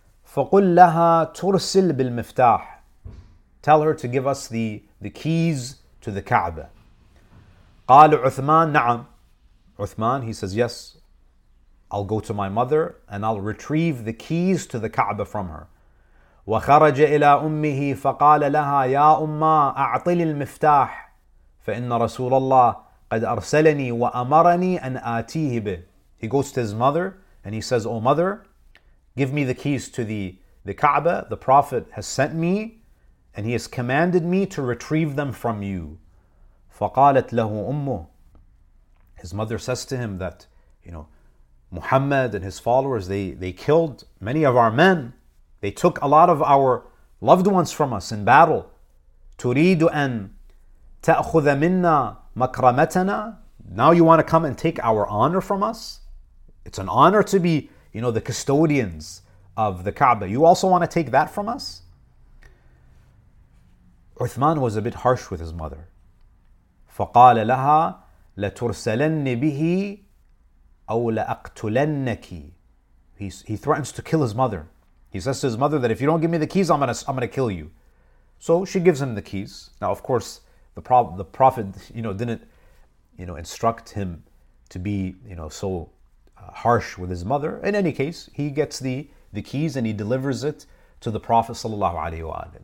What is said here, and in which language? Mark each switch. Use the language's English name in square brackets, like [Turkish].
[Arabic] فَقُلْ لَهَا تُرْسِلْ بِالْمِفْتَاحِ. [English] Tell her to give us the keys to the Kaaba. [Arabic] قال عثمان نعم. [English] Uthman, he says, yes, I'll go to my mother and I'll retrieve the keys to the Kaaba from her. [Arabic] وخرج إلى أمه فقال لها يا أما أعطل المفتاح فإن رسول الله قد أرسلني وأمرني أن آتيه به. [English] He goes to his mother and he says, oh mother, give me the keys to the Kaaba. The Prophet has sent me and he has commanded me to retrieve them from you. [Arabic] فقالت له أمه. [English] His mother says to him that, you know, Muhammad and his followers, they killed many of our men. They took a lot of our loved ones from us in battle. [Arabic] تريد أن تأخذ منا مكرمتنا. [English] Now you want to come and take our honor from us? It's an honor to be, you know, the custodians of the Kaaba. You also want to take that from us? Uthman was a bit harsh with his mother. [Arabic] فقال لها لترسلن به أو لأقتلنك. [English] He threatens to kill his mother. He says to his mother that if you don't give me the keys, I'm gonna kill you. So she gives him the keys. Now, of course, the Prophet, you know, didn't, you know, instruct him to be, you know, so harsh with his mother. In any case, he gets the keys and he delivers it to the Prophet sallallahu alaihi wasallam.